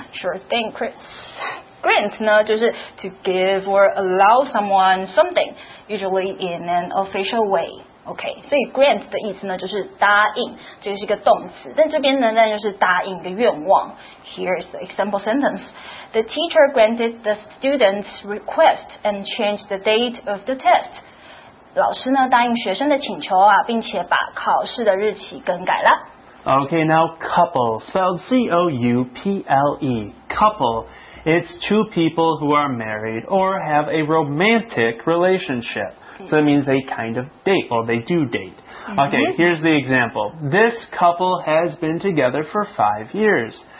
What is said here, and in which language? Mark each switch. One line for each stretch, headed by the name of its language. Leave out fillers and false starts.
English: Sure thing, Chris. Grant
Chinese: 呢就是
English: to give or allow someone something, usually in an official way.
Chinese: Okay, 所以 grant 的意思呢就是答应，这个是一个动词，但这边呢那就是答应一个愿望。
English: Here's the example sentence. The teacher granted the student's request and changed the date of the test.
Chinese: 老师呢答应学生的请求啊，并且把考试的日期更改了。
English: Okay, now couple, spelled C-O-U-P-L-E, couple. It's two people who are married or have a romantic relationship. So that means they kind of date, or they do date. Okay, here's the example. This couple has been together for 5 years.